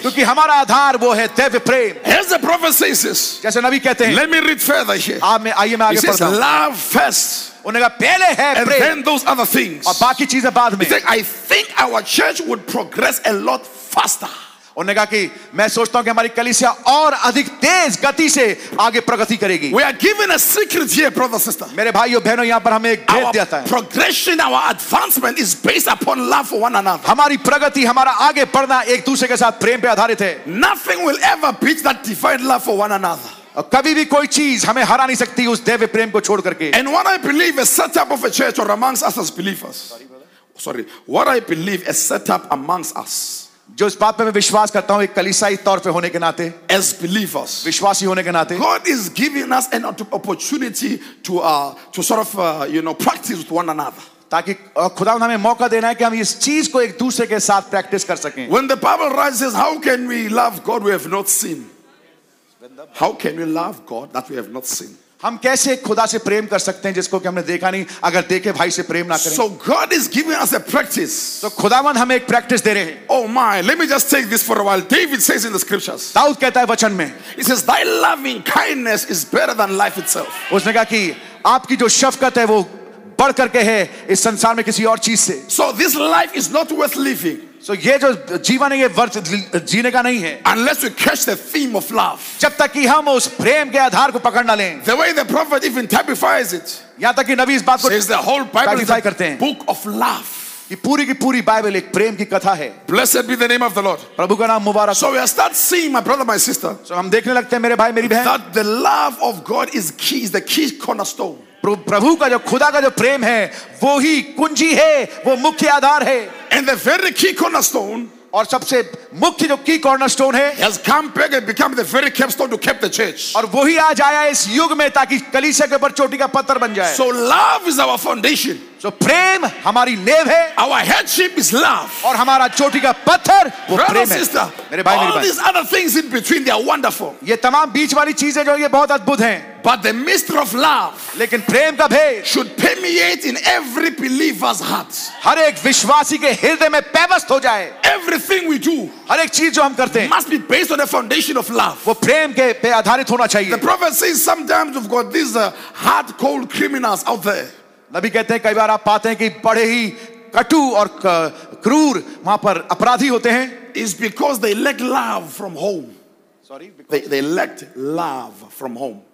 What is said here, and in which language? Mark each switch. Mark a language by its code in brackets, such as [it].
[hi] क्योंकि हमारा आधार वो है दैव प्रेम। [en] Here's the prophecy says. [hi] जैसे नबी कहते हैं। [en] Let me read further here. [hi] आइए मैं आगे पढ़ता [en] हूं। Love first. [hi] उन्हें कहा पहले है प्रेम। [en] And then those other things. [hi] और बाकी चीजें बाद में। [en] He said, I think our church would progress a lot faster. [hi] उन्होंने कहा कि मैं सोचता हूं कि हमारी कलीसिया और अधिक तेज गति से आगे प्रगति करेगी. [en] We are given a secret here, brother, sister. [hi] मेरे भाइयों बहनों यहां पर हमें एक भेद दिया जाता है. [en] Progression, our advancement is based upon love for one another. [hi] हमारी प्रगति हमारा आगे बढ़ना एक दूसरे के साथ प्रेम पे आधारित है. [en] Nothing will ever beat that divine love for one another. [hi] कभी भी कोई चीज हमें हरा नहीं सकती उस दैव्य प्रेम को छोड़ करके. [en] And what I believe is set up of a church or amongst us as believers. Sorry, what I believe is set up amongst us. [hi] जो इस बात पे मैं विश्वास करता हूँ एक कलीसाई तौर पे होने के नाते, [en] as believers, [hi] विश्वासी होने के नाते, [en] God is giving us an opportunity to sort of you know practice with one another. [hi] ताकि खुदा ने हमें मौका देना है कि हम इस चीज को एक दूसरे के साथ प्रैक्टिस कर सकें. [en] When the Bible rises, how can we love God we have not seen? How can we love God that we have not seen? [hi] हम कैसे खुदा से प्रेम कर सकते हैं जिसको कि हमने देखा नहीं. अगर देखे भाई से प्रेम ना करें. [en] So God is giving us a practice. [hi] तो खुदावंद हमें एक प्रैक्टिस दे रहे हैं. [en] Oh my, let me just take this for a while. David says in the scriptures. [hi] Dawood कहता है वचन में. [en] He says, "Thy loving kindness is better than life itself." [hi] उसने कहा कि आपकी जो शफकत है वो बढ़ करके है इस संसार में किसी और चीज से. [en] So this life is not worth living. [hi] So, ये जो जीवन है ये वर्थ जीने का नहीं है. [en] Unless we catch the theme of love. [hi] जब तक कि हम उस प्रेम के आधार को पकड़ ना लें. [en] The way the prophet even typifies it. [hi] यहां तक कि नबी इस बात को [en] says the whole Bible is a book of love. [hi] कि पूरी की पूरी बाइबल एक प्रेम की कथा है. [en] Blessed be the name of the Lord. [hi] प्रभु का नाम मुबारक. [en] So we start seeing, my brother, my sister. [hi] So हम देखने लगते हैं मेरे भाई मेरी बहन. [en] That the love of God is key, the key cornerstone. [hi] प्रभु का जो खुदा का जो प्रेम है वो ही कुंजी है वो मुख्य आधार है. [en] And the very key cornerstone, [hi] और सबसे मुख्य जो की cornerstone है, [en] has come back and become the very capstone to keep the church. [hi] और वो ही आज आया इस युग में ताकि कलीसिया के ऊपर चोटी का पत्थर बन जाए. [en] So love is our foundation. [hi] So प्रेम हमारी नेव है. [en] Our headship is love. [hi] और हमारा चोटी का पत्थर वो प्रेम है. [en] Sister, [hi] मेरे भाई, [en] all these other things in between, they are wonderful. [hi] ये तमाम बीच वाली चीजें जो ये बहुत अद्भुत हैं. [en] But the mystery of love, [hi] लेकिन प्रेम का भेद, [en] should permeate in every believer's heart. [hi] हर एक विश्वासी के हृदय में पैवस्त हो जाए. [en] Everything we do, [hi] हर एक चीज जो हम करते हैं, [en] must be based on a foundation of love. [hi] वो प्रेम के पे आधारित होना चाहिए. [en] The prophet says sometimes we've got these hard cold criminals out there. [hi] नबी कहते हैं कई बार आप पाते हैं कि बड़े ही कटु और क्रूर वहां पर अपराधी होते हैं. [en] It's because they lack love from home. Sorry, because they lacked love from home.